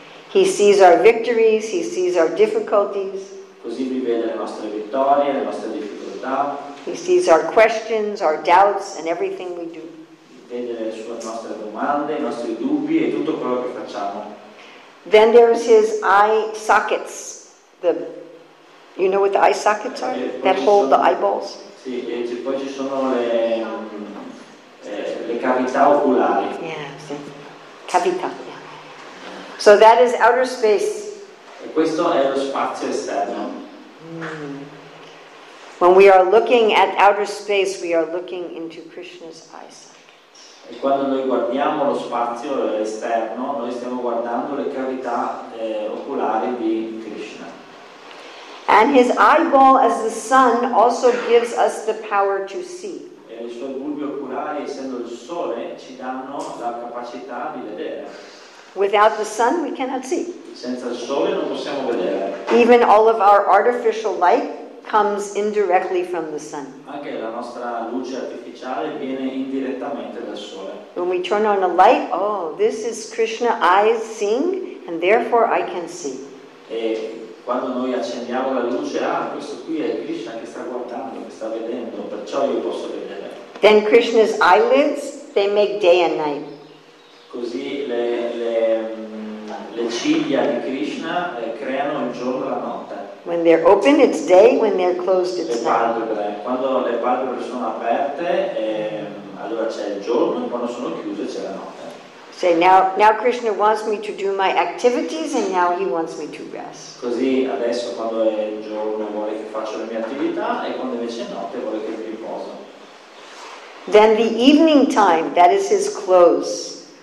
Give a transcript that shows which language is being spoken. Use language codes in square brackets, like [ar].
[en] He sees our victories, he sees our difficulties. [it] Così lui vede le nostre vittorie, le nostre difficoltà. [en] He sees our questions, our doubts, and everything we do. [it] Vedere sulle nostre domande, i nostri dubbi e tutto quello che facciamo. [en] Then there's his eye sockets. You know what the eye sockets are? That hold the eyeballs. [it] Sì, e poi ci sono le cavità oculari. [en] Yeah, sì. Cavità. So that is outer space. [it] E questo è lo spazio esterno. [en] When we are looking at outer space, we are looking into Krishna's eyes. [it] E quando noi guardiamo lo spazio esterno, noi stiamo guardando le cavità oculari di Krishna. [en] And his eyeball as the sun also gives us the power to see. [it] E i suoi bulbi oculari, essendo il sole, ci danno la capacità di vedere. [en] Without the sun we cannot see. [it] Senza il sole non possiamo vedere. [en] Even all of our artificial light comes indirectly from the sun. [it] Anche la nostra luce artificiale viene indirettamente dal sole. [en] When we turn on a light, oh, this is Krishna eyes seeing, and therefore I can see. [it] E quando noi accendiamo la luce, questo qui è Krishna che sta guardando, che sta vedendo, perciò io posso vedere. [en] Then Krishna's eyelids, they make day and night. [it] Così le ciglia di Krishna creano il giorno e la notte. [en] When they're open, it's day. When they're closed, it's night. [it] Quando le palpebre sono aperte, allora c'è il giorno. Quando sono chiuse, c'è la notte. [en] Say, now Krishna wants me to do my activities, and now he wants me to rest. [it] Così adesso quando è il giorno vuole che faccio le mie attività, e quando invece è notte vuole che mi riposo. [en] Then the evening time, that is his close.